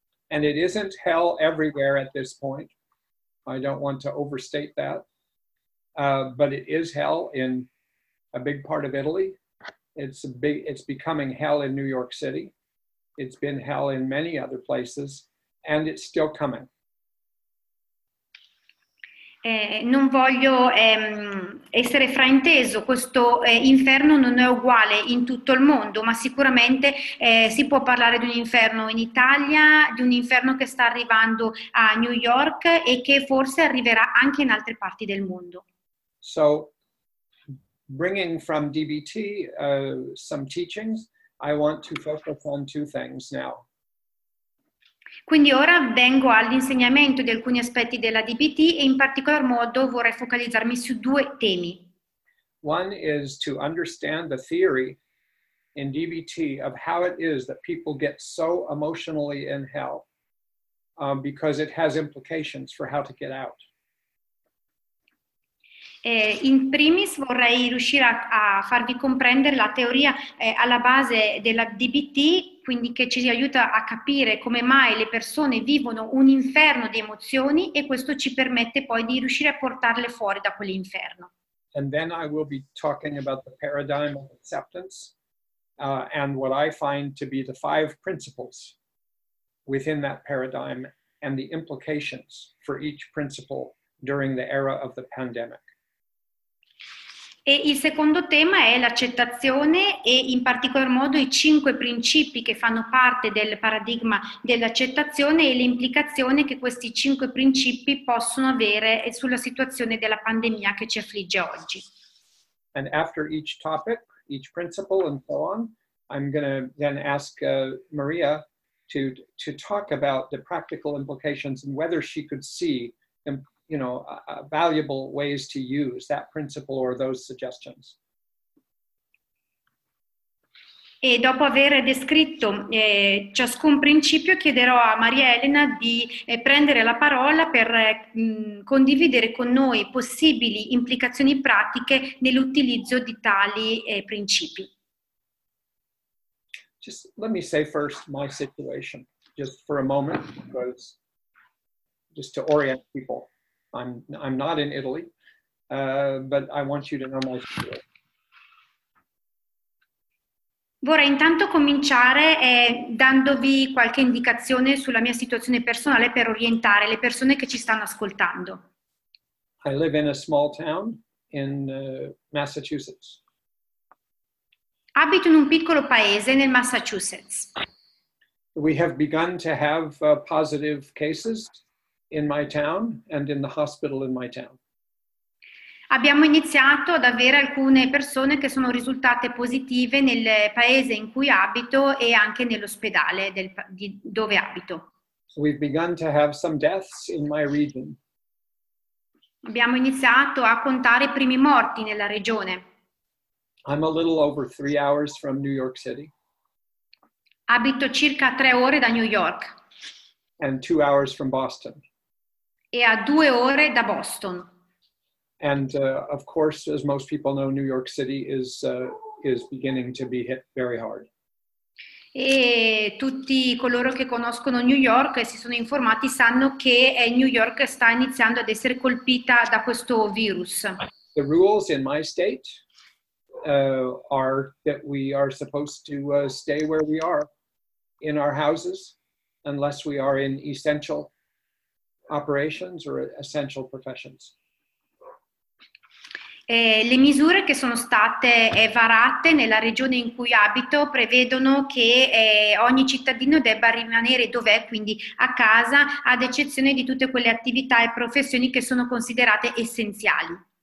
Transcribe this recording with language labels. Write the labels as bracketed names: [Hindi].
[English] And it isn't hell everywhere at this point. I don't want to overstate that. But it is hell in a big part of Italy. It's becoming hell in New York City. It's been hell in many other places, and it's still coming. [Italian] Non voglio essere frainteso, questo inferno non è uguale in tutto il mondo, ma sicuramente si può parlare di un inferno in Italia, di un inferno che sta arrivando a New York e che forse arriverà anche in altre parti del mondo. [English] So, bringing from DBT some teachings, I want to focus on two things now. [Italian] Quindi ora vengo all'insegnamento di alcuni aspetti della DBT e in particolar modo vorrei focalizzarmi su due temi. [English] One is to understand the theory in DBT of how it is that people get so emotionally in hell, because it has implications for how to get out. [Italian] In primis vorrei riuscire a farvi comprendere la teoria alla base della DBT, quindi che ci aiuta a capire come mai le persone vivono un inferno di emozioni e questo ci permette poi di riuscire a portarle fuori da quell'inferno. [English] And then I will be talking about the paradigm of acceptance and what I find to be the five principles within that paradigm and the implications for each principle during the era of the pandemic. [Italian] E il secondo tema è l'accettazione e in particolar modo i cinque principi che fanno parte del paradigma dell'accettazione e l'implicazione che questi cinque principi possono avere sulla situazione della pandemia che ci affligge oggi. [English] And after each topic, each principle and so on, I'm going to then ask Maria to talk about the practical implications and whether she could see them. You know, valuable ways to use that principle or those suggestions. [Italian] E dopo aver descritto ciascun principio, chiederò a Maria Elena di prendere la parola per condividere con noi possibili implicazioni pratiche nell'utilizzo di tali principi. [English] Just let me say first my situation, just for a moment, because just to orient people. I'm not in Italy, but I want you to know my story. [Italian] Vorrei intanto cominciare dandovi qualche indicazione sulla mia situazione personale per orientare le persone che ci stanno ascoltando. [English] I live in a small town in Massachusetts. [Italian] Abito in un piccolo paese nel Massachusetts. [English] We have begun to have positive cases in my town and in the hospital in my town. [Italian] Abbiamo iniziato ad avere alcune persone che sono risultate positive nel paese in cui abito e anche nell'ospedale di dove abito. [English] We've begun to have some deaths in my region. [Italian] Abbiamo iniziato a contare i primi morti nella regione. [English] I'm a little over 3 hours from New York City. [Italian] Abito circa 3 ore da New York. [English] And 2 hours from Boston. [Italian] E a 2 ore da Boston. [English] And of course, as most people know, New York City is beginning to be hit very hard. [Italian] E tutti coloro che conoscono New York e si sono informati sanno che New York sta iniziando ad essere colpita da questo virus. [English] The rules in my state are that we are supposed to stay where we are in our houses unless we are in essential operations or essential professions. [Italian] Le misure che sono state varate nella regione in cui abito prevedono che ogni cittadino debba rimanere dov'è, quindi a casa, ad eccezione di tutte quelle attività e professioni che sono considerate essenziali.